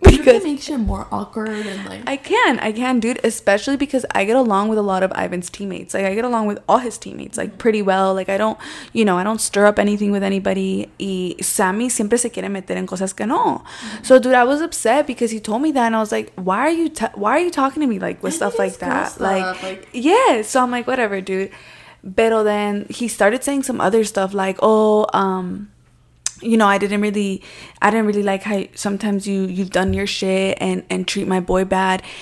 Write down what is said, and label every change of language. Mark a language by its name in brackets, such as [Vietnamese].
[English] Because it makes you more awkward and like. I can, dude. Especially because I get along with a lot of Ivan's teammates. Like, I get along with all his teammates like pretty well. Like, I don't, you know, I don't stir up anything with anybody. [Spanish] Y Sammy siempre se quiere meter en cosas que no. [English] So, dude, I was upset because he told me that, and I was like, why are you talking to me like with stuff like that? Like, yeah. So I'm like, whatever, dude. But then he started saying some other stuff like, oh, I didn't really like how sometimes you've done your shit and treat my boy bad.